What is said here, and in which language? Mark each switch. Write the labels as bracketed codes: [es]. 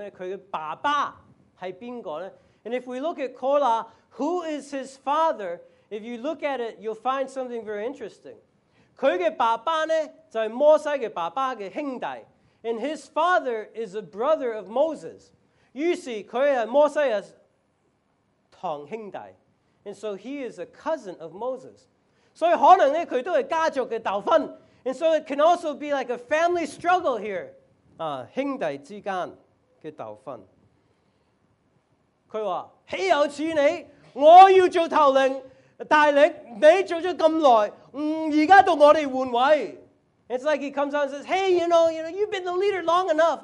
[zh] 這個何拉呢,其實如果你看他剛才說的家譜,他的爸爸是誰呢? [en] And if we look at Korah, who is his father? If you look at it, you'll find something very interesting. [zh] 他的爸爸呢,就是摩西的爸爸的兄弟。 [en] And his father is a brother of Moses. You see, [zh] 他是摩西的堂兄弟。 [en] And so he is a cousin of Moses. [zh] 所以可能他都是家族的糾紛。 [en] And so it can also be like a family struggle here. [zh] 兄弟之間的糾紛。他說,豈有此理,我要做頭領,大領,你做了這麼久,現在到我們換位。 [en] It's like he comes out and says, hey, you know, you've been the leader long enough.